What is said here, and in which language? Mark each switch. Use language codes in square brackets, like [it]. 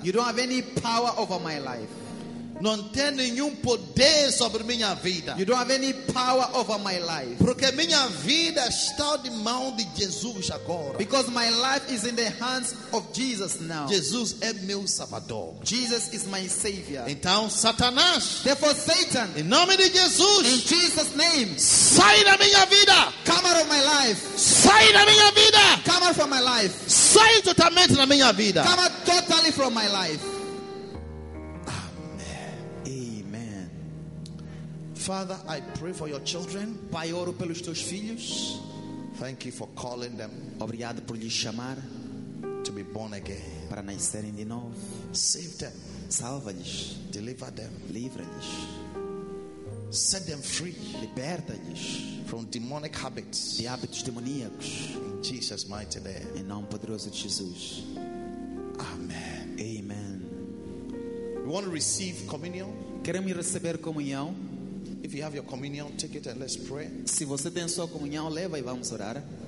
[en] You don't have any power over my life. [pt] Não tem nenhum poder sobre minha vida. [en] You don't have any power over my life. [pt] Porque minha vida está de mão de Jesus agora. [en] Because my life is in the hands of Jesus now. [pt] Jesus é meu Salvador. [en] Jesus is my Savior. [pt] Então, Satanás. [en] Therefore, Satan. [pt] Em nome de Jesus. [en] In Jesus' name. [pt] Sai da minha vida. [en] Come out of my life. [pt] Sai da minha vida. [en] Come out from my life. [pt] Sai totalmente da minha vida. [en] Come out totally from my life. Father, I pray for your children. [pt] Pai, oro pelos teus filhos. [en] Thank you for calling them. [pt] Obrigado por lhes chamar. [en] To be born again. [pt] Para nascerem de novo. [en] Save them. [pt] Salva-lhes. [en] Deliver them. [pt] Livra-lhes. [en] Set them free. [pt] Liberta-lhes. [en] From demonic habits. [pt] De hábitos demoníacos. [en] In Jesus' mighty name. [pt] Em nome poderoso de Jesus. Amen. Amen. [en] We want to receive communion. [pt] Queremos receber comunhão. [en] If you have your communion, take it and let's pray. [pt] Se você tem sua comunhão, leva e vamos orar.